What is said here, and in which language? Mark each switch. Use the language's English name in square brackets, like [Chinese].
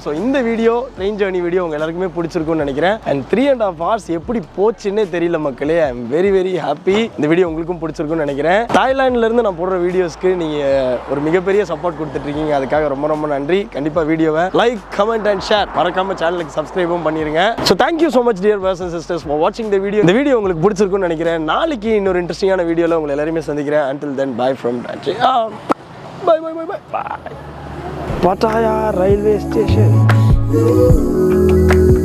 [Tamil] So இந்த video train journey video உங்க எல்லாருக்குமே பிடிச்சிருக்கும்னு நினைக்கிறேன். அண்ட் 3.5 hours எப்படி போச்சுன்னே தெரியல மக்களே. [English] I am very very happy, [Tamil] இந்த வீடியோ உங்களுக்கும் பிடிச்சிருக்கும்னு நினைக்கிறேன். தாய்லாண்ட்ல இருந்து நான் போடுற வீடியோஸ்க்கு நீங்க ஒரு மிகப்பெரிய சப்போர்ட் கொடுத்துட்டு இருக்கீங்க, அதுக்காக ரொம்ப ரொம்ப நன்றி. கண்டிப்பா வீடியோவை லைக் கமெண்ட் அண்ட் ஷேர், மறக்காம சேனலுக்கு சப்ஸ்கிரைபும் பண்ணிருங்க. [English] So thank you so much dear brothers and sisters for watching the video. [Tamil] இந்த வீடியோ உங்களுக்கு பிடிச்சிருக்கும்னு நினைக்கிறேன். நாளைக்கு இன்னொரு இன்ட்ரஸ்டிங்கான வீடியோல உங்களை எல்லாரையும் சந்திக்கிறேன். [English] Until then, bye from Dante. Bye bye bye bye. Pattaya Railway Station.